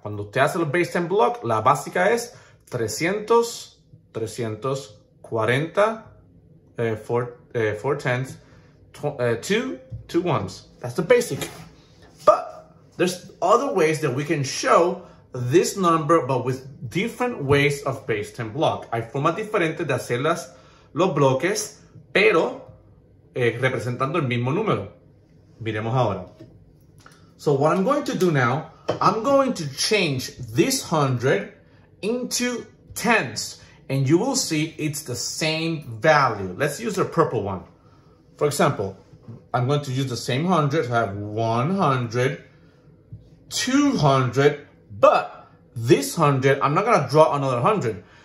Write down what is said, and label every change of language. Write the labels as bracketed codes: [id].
[es] Cuando usted hace el base 10 block, la básica es 300, 340, [en] 4 tens. 2 ones. That's the basic. But there's other ways that we can show this number, but with different ways of base 10 block. [es] Hay formas diferentes de hacer las, los bloques, pero representando el mismo número. Miremos ahora. [en] So what I'm going to do now, I'm going to change this 100 into tens, and you will see it's the same value. Let's use a purple one. For example, I'm going to use the same 100, so I have 100, 200, but this 100, I'm not gonna draw another 100.